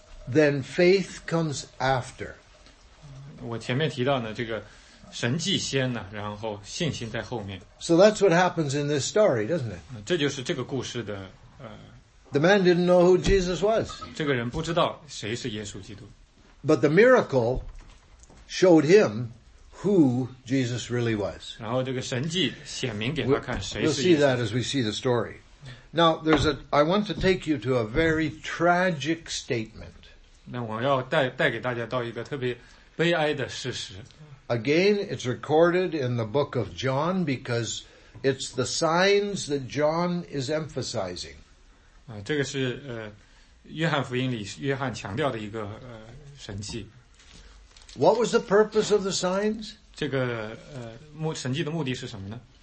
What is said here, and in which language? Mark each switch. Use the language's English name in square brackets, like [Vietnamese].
[English] Then faith comes after. [Chinese] 我前面提到呢，这个神迹先呢，然后信心在后面。 [English] So that's what happens in this story, doesn't it? [Chinese] 这就是这个故事的 [English] The man didn't know who Jesus was. [Chinese] 这个人不知道谁是耶稣基督。 [English] But the miracle showed him who Jesus really was. [Chinese] 然后这个神迹显明给他看谁是耶稣。 [English] We'll see that as we see the story. Now, I want to take you to a very tragic statement. [Chinese] 那我要带给大家到一个特别悲哀的事实。 [English] Again, it's recorded in the book of John because it's the signs that John is emphasizing. [Chinese] 这个是约翰福音里约翰强调的一个神迹。 [English] What was the purpose of the signs? [Chinese] 这个神迹的目的是什么呢？